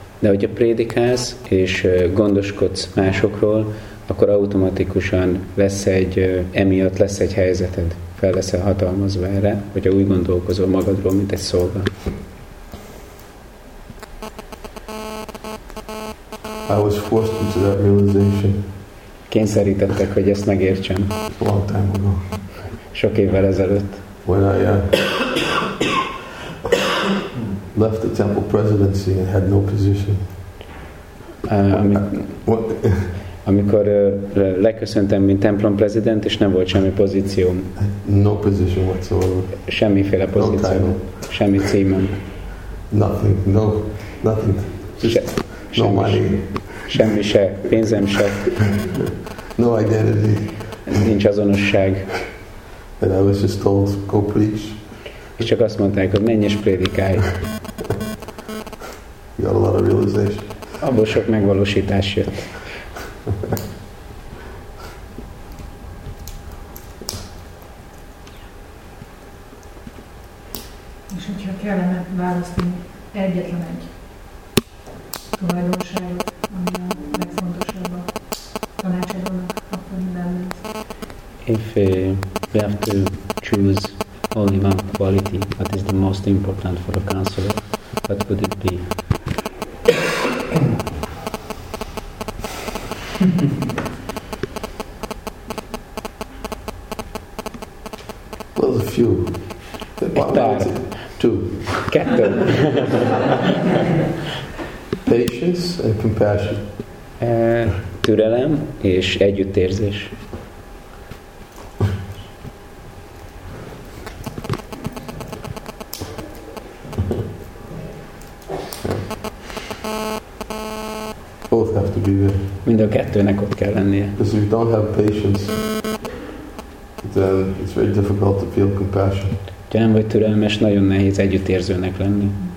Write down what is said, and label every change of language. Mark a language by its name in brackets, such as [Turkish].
[Hungarian] De hogyha prédikálsz és gondoskodsz másokról, akkor automatikusan lesz egy helyzeted, fel leszel hatalmazva erre, hogyha úgy gondolkozol magadról, mint egy szolga. [English] I was forced into that realization. [Hungarian] Kényszerítettek, hogy ezt megértsem. [English] A long time ago. [Hungarian] Sok évvel ezelőtt. [English] When I left the temple presidency and had no position. [Hungarian] Amikor leköszöntem, mint templom prezident, és nem volt semmi pozícióm. [English] No position whatsoever. [Hungarian] Semmiféle pozícióm. [English] No title. [Hungarian] Semmi címem. [English] Nothing. No. Nothing. No money. [Hungarian] Semmi se. Pénzem se. [English] No identity. [Hungarian] Nincs azonosság. [English] And I was just told, go preach. [Hungarian] És csak azt mondták, hogy menj és prédikálj. [English] You got a lot of realization. [Hungarian] Abból sok megvalósítás jött. És hogyha kellene választani egyetlen egy tulajdonságot, ami a legfontosabb a tanácsadónak, akkor minden lesz. [English] If we have to choose only one quality that is the most important for a counselor, what would it be? Well, a few. Two. [Hungarian] Kettő. [English] Patience and compassion. [Hungarian] Türelem és együttérzés. [English] Both have to be there. [Hungarian] Mind a kettőnek ott kell lennie. [English] Because if you don't have patience, then it's very difficult to feel compassion. [Hungarian] Ha nem vagy türelmes, nagyon nehéz együttérzőnek lenni.